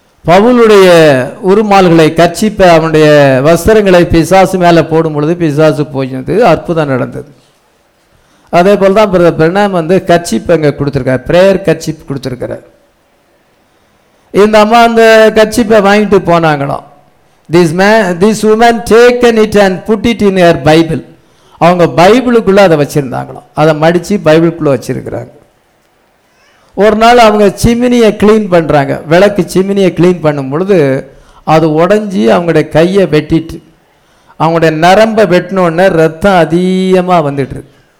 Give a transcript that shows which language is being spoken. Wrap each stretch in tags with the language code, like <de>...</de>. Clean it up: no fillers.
<ta>பவுலுடைய உருமால்களை கச்சிப்பை அவனுடைய வஸ்திரங்களை பிசாசு மேலே போடும் பொழுது பிசாசு போயிருந்தது, அற்புதம் நடந்தது. அதே போல் தான் பிரதர் பிரணாம் வந்து கச்சிப் அங்கே கொடுத்துருக்கார், ப்ரேயர் கச்சிப் கொடுத்துருக்கிறார். இந்த அம்மா அந்த கச்சிப்பை வாங்கிட்டு போனாங்களாம்.</ta> <en>This woman taken it and put it in her Bible.</en> <ta>அவங்க பைபிளுக்குள்ளே அதை வச்சுருந்தாங்களாம். அதை மடித்து பைபிளுக்குள்ளே வச்சுருக்கிறாங்க. ஒரு நாள் அவங்க சிமினியை க்ளீன் பண்ணுறாங்க. விளக்கு சிமினியை க்ளீன் பண்ணும் பொழுது அது உடஞ்சி அவங்களுடைய கையை வெட்டிட்டு அவங்களுடைய நரம்பை வெட்டினோடனே ரத்தம் அதிகமாக வந்துட்டுருக்கு.</ta>